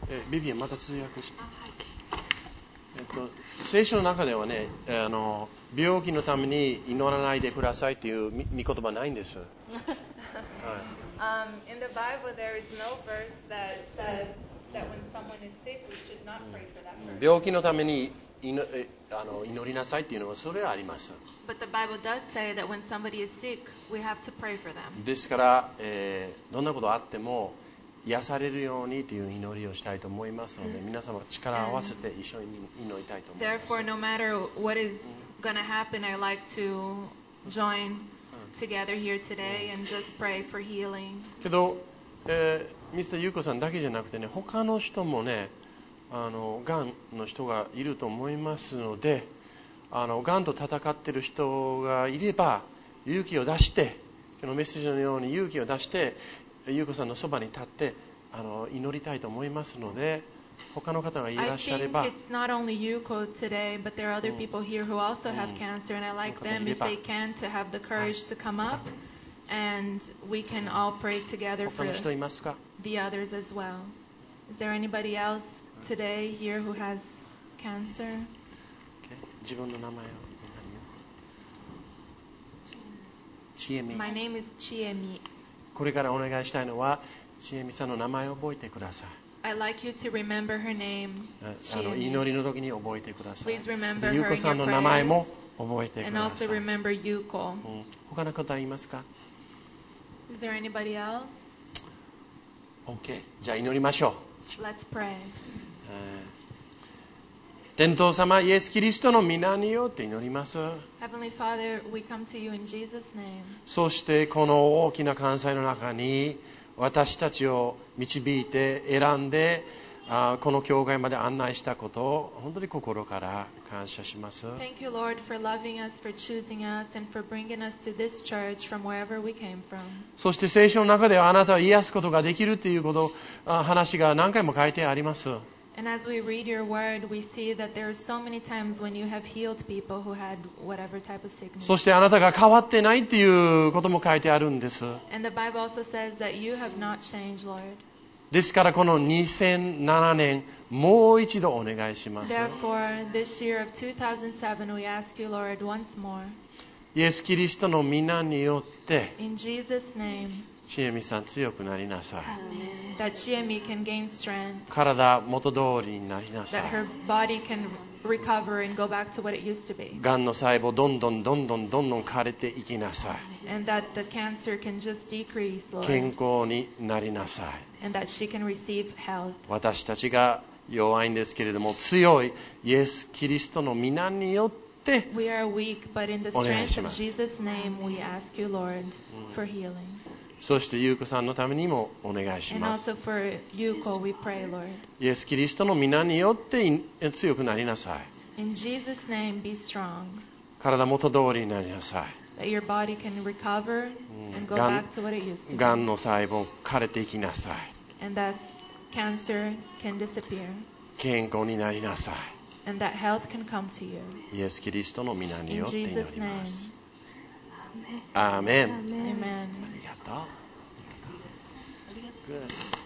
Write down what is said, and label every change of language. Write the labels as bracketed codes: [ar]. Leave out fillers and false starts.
[ja] ビビアンまた通訳して、聖書の中ではね、病気のために祈らないでくださいという御言葉ないんです。 [en] In the Bible there is no verse that says that when someone is sick we should not pray for that person. [ja] 病気のために祈りなさいっていうのはそれはあります。 [en] But the Bible does say that when somebody is sick we have to pray for them. [ja] ですから、どんなことあっても癒されるようにという祈りをしたいと思いますので、皆様力を合わせて一緒に祈りたいと思います。 [en] Therefore, no matter what is going to happen, I like to join together here today and just pray for healing. [ja] けど、ミスター優子さんだけじゃなくてね、他の人もね、がんの人がいると思いますので、がんと戦っている人がいれば、勇気を出して、このメッセージのように勇気を出して、優子さんのそばに立って祈りたいと思いますので、他の方がいらっしゃれば、 [en] I think it's not only Yuko today, but there are other people here who also have cancer, and I like them if they can to have the courage to come up, and we can all pray together for the others as well. Is there anybody else today here who has cancer? Okay. [ja] 自分の名前を。 Chiemi. [en] My name is Chiemi. [ja] これからお願いしたいのは、ちえみさんの名前を覚えてください。 [en] I'd like you to remember her name. [ja] 祈りの時に覚えてください。 [en] Please remember prayers. [ja] ゆうこさんの名前も覚えてください。 [en] And also remember Yuko. [ja] 他の方いますか？ [en] Is there anybody else? Okay. [ja] じゃあ祈りましょう。 [en] Let's pray. [ja] 天父様、イエスキリストの皆によって祈ります。 [en] Heavenly Father, we come to you in Jesus' name. [ja] そしてこの大きな関西の中に私たちを導いて選んで、この教会まで案内したことを本当に心から感謝します。 [en] Thank you, Lord, for loving us, for choosing us, and for bringing us to this church from wherever we came from. [ja] そして聖書の中ではあなたを癒すことができるということ、話が何回も書いてあります。 [en] And as we read your word, we see that there are so many times when you have healed people who had whatever type of sickness. [ja] そしてあなたが変わってないっていうことも書いてあるんです。 [en] And the Bible also says that you have not changed, Lord. [ja] ですからこの2007年もう一度お願いします。 [en] Therefore, this year of 2007, we ask you, Lord, once more. [ja] イエス・キリストの皆によって。 [en] In Jesus' name. [ja] ちえみさん強くなりなさい。 [en] That she and me can gain strength. [ja] 体元通りになりなさい。 [en] That her body can recover and go back to what it used to be. [ja] がんの細胞どんどんどんどんどんどん枯れていきなさい。 [en] And that the cancer can just decrease, Lord. [ja] 健康になりなさい。 [en] And that she can receive health. [ja] 私たちが弱いんですけれども、強いイエス・キリストの御名によって。 [en] We are weak, but in the strength of Jesus' name, we ask you, Lord, for healing. [ja] そしてゆうこさんのためにもお願いします。 [en] And also for Yuko, we pray, Lord. [ja] イエス・キリストの御名によって強くなりなさい。 [en] In Jesus' name, be strong. [ja] 体元通りになりなさい。 [en] That your body can recover and go back to what it used to be. [ja] がんの細胞枯れていきなさい。 [en] And that cancer can disappear. [ja] 健康になりなさい。 [en] And that health can come to you. [ja] イエス・キリストの御名によって祈ります。アーメン。アーメン。アーメン。ありがとう。ありがとう。